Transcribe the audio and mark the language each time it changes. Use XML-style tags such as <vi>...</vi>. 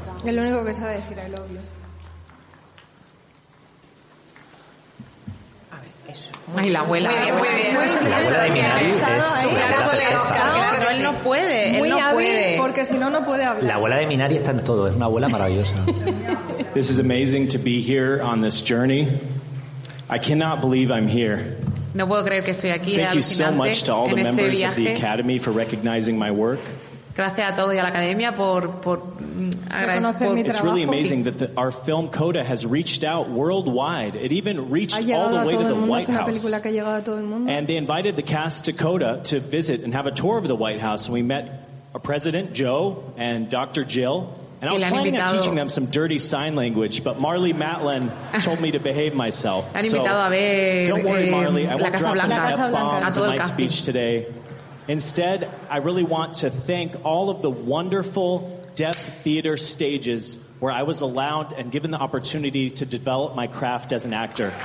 <es>Es lo único que sabe decir, el obvio. Ay, la abuela. Muy bien. La abuela de Minari es... Claro, él no puede. Muy él no hábil, puede. Porque si no, no puede hablar. La abuela de Minari está en todo. Es una abuela maravillosa.</es> <en>This is amazing to be here on this journey. I cannot believe I'm here.</en> <es>No puedo creer que estoy aquí.</es> <en>Thank you so much to all the members of the Academy for recognizing my work.</en> <es>Gracias a todos y a la Academia por reconocer mi trabajo.</es> <en>It's really amazing that our film Coda has reached out worldwide. It even reached all the way to the White House.</en> <es>Es una película que ha llegado a todo el mundo.</es> <en>And they invited the cast to Coda to visit and have a tour of the White House. We met a President Joe and Dr. Jill. And I was planning on teaching them some dirty sign language, but Marley Matlin told me to behave myself.</en> <es>Han invitado a ver la Casa Blanca, a todo el casting.</es> <en>Instead, I really want to thank all of the wonderful deaf theater stages where I was allowed and given the opportunity to develop my craft as an actor.</en>